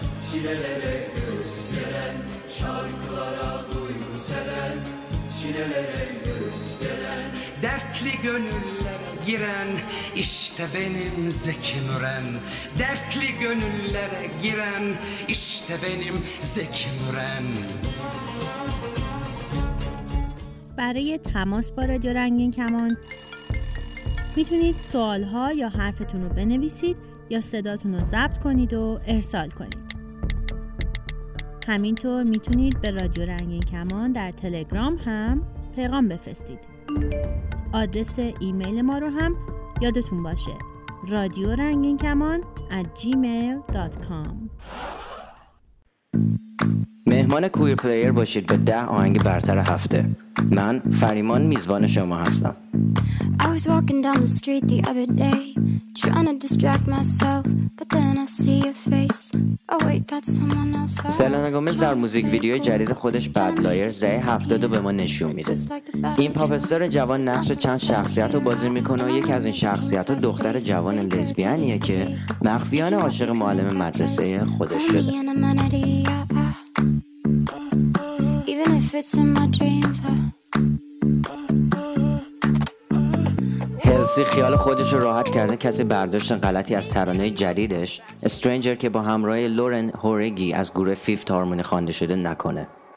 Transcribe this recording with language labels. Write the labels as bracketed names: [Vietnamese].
[Turkish] Çinelere göz gelen, şarkılara duygu seven, çinelere göz gelen, dertli gönüllere giren, işte benim Zeki Müren. Dertli gönüllere giren, işte benim Zeki Müren. [Persian] برای تماس با رادیو رنگین کمان میتونید سوال‌ها یا حرفتون رو بنویسید یا صداتون رو ضبط کنید و ارسال کنید. همینطور میتونید به رادیو رنگین کمان در تلگرام هم پیغام بفرستید. آدرس ایمیل ما رو هم یادتون باشه، رادیو رنگین کمان @gmail.com. مهمان کویر پلیر باشید به 10 آهنگ برتر هفته. من فریمان میزبان شما هستم. [English] I was walking down the street the other day trying to distract myself but then I see your face. Oh wait, that's someone else. [Persian] سلنا گومز در موزیک ویدیوی جدید خودش بد لایرز دهه 70 رو به ما نشون میده. این پاپ استار جوان نقش چند شخصیت رو بازی میکنه و یکی از این شخصیت‌ها دختر جوان لزبیانیه که مخفیانه عاشق معلم مدرسه خودش شده. [English] Even if it's in my dreams, [Persian] هلسی خیال خودش رو راحت کردن کسی برداشت غلطی از ترانه جدیدش استرینجر که با همراه لورن هورگی از گروه فیفت هارمونی خوانده شده نکنه.